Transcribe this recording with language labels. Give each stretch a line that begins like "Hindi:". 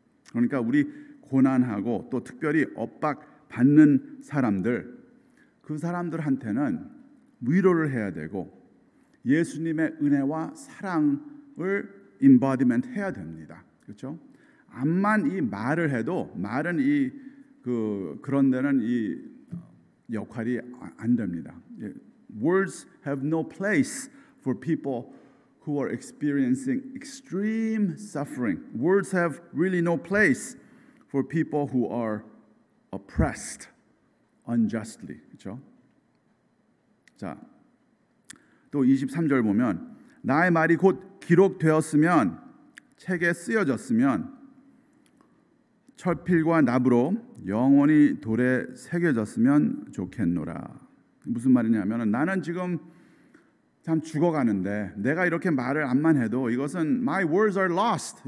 Korean: 그러니까 우리 고난하고 또 특별히 엇박 받는 사람들 그 사람들한테는 위로를 해야 되고 예수님의 은혜와 사랑을 embodiment 해야 됩니다. 그렇죠? 암만 이 말을 해도 말은 이 그 그런 데는 이 역할이 안 됩니다.
English: Words have no place for people who are experiencing extreme suffering. Words have really no place for people who are oppressed unjustly.
Korean: 그렇죠? 자, 또 23절 보면 나의 말이 곧 기록되었으면 책에 쓰여졌으면 철필과 납으로 영원히 돌에 새겨졌으면 좋겠노라. 무슨 말이냐면 나는 지금 참 죽어가는데 내가 이렇게 말을 암만 해도 이것은
English: my words are lost.